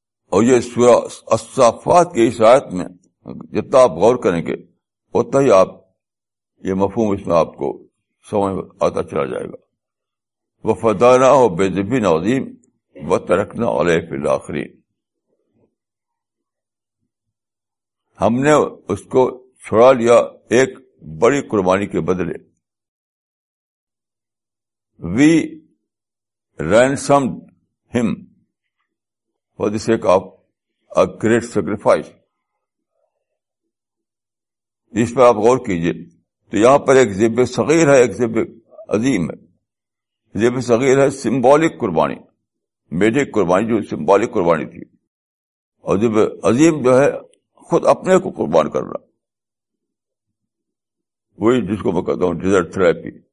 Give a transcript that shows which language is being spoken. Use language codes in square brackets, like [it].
[ur] اور یہ سورہ الصافات کی اس آیت میں جتنا آپ غور کریں گے اتنا ہی آپ یہ مفہوم اس میں آپ کو سمجھ آتا چلا جائے گا. [ar] وفدانا و بے ذبین عظیم و ترکنا علیہ فی الآخرین, [ur] ہم نے اس کو چھڑا لیا ایک بڑی قربانی کے بدلے. [en] We ransomed him for the sake of a great sacrifice. [ur] اس پر آپ غور کیجئے. تو یہاں پر ایک ذبح صغیر ہے, ایک ذبح عظیم ہے. ذبح صغیر ہے سمبولک قربانی, میڈی قربانی جو سمبولک قربانی تھی, اور ذبح عظیم جو ہے خود اپنے کو قربان کرنا, وہی جس کو میں کہتا ہوں ڈیزرٹ تھراپی.